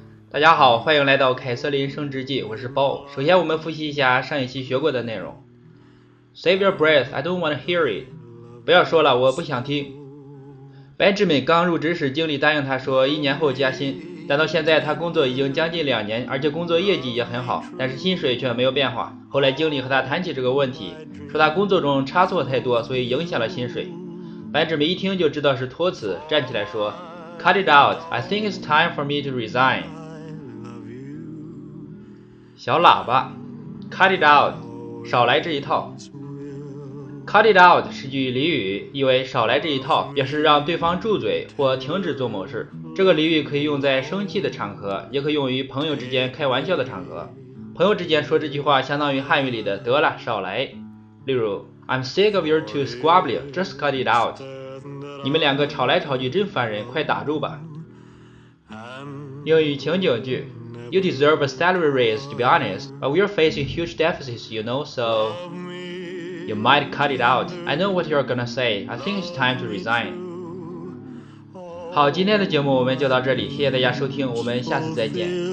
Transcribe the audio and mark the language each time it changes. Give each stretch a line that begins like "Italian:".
Chinese: 大家好，欢迎来到凯瑟琳升职记，我是包。首先我们复习一下上一期学过的内容。
English: Save your breath, I don't want to hear it.
Chinese: 不要说了，我不想听。白志敏刚入职时，经理答应他说一年后加薪，但到现在他工作已经将近两年，而且工作业绩也很好，但是薪水却没有变化。后来经理和他谈起这个问题，说他工作中差错太多，所以影响了薪水。白志敏一听就知道是托词，站起来说
English: Cut it out, I think it's time for me to resign.
Chinese: 小喇叭
English: Cut it out,
Chinese: 少来这一套。
English: Cut it out
Chinese: 是句俚语，意为少来这一套，也是让对方住嘴或停止做某事。这个俚语可以用在生气的场合，也可以用于朋友之间开玩笑的场合。朋友之间说这句话相当于汉语里的得了，少来。
English: 例如 I'm sick of your two squabbling, just cut it out.
Chinese: 你们两个吵来吵去真烦人，快打住吧。
English: 英语情景句 You deserve a salary raise to be honest, but we're facing huge deficits, you know, so... You might cut it out. I know what you're gonna say. I think it's time to resign.
Chinese: 好，今天的节目我们就到这里，谢谢大家收听，我们下次再见。